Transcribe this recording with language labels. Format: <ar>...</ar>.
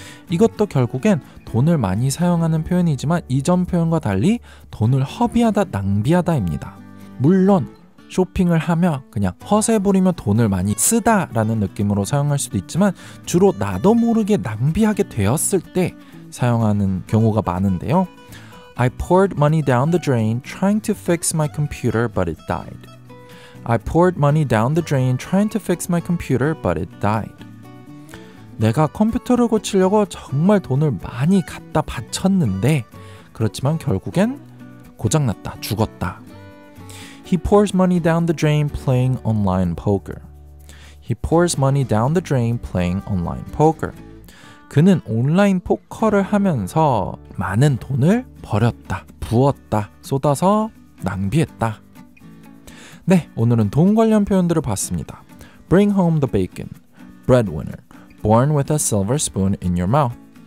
<ko>이것도 결국엔 돈을 많이 사용하는 표현이지만 이전 표현과 달리 돈을 허비하다, 낭비하다입니다. 물론 쇼핑을 하며 그냥 허세 부리며 돈을 많이 쓰다 라는 느낌으로 사용할 수도 있지만 주로 나도 모르게 낭비하게 되었을 때 사용하는 경우가 많은데요.</ko> <en>I poured money down the drain trying to fix my computer but it died. I poured money down the drain trying to fix my computer but it died.</en> <ko>내가 컴퓨터를 고치려고 정말 돈을 많이 갖다 바쳤는데 그렇지만 결국엔 고장났다, 죽었다.</ko> <en>He pours money down the drain playing online poker. He pours money down the drain playing online poker.</en> <ko>그는 온라인 포커를 하면서 많은 돈을 버렸다, 부었다, 쏟아서 낭비했다. 네, 오늘은 돈 관련 표현들을 봤습니다.</ko> <en>Bring home the bacon. Breadwinner. Born with a silver spoon in your mouth.</en>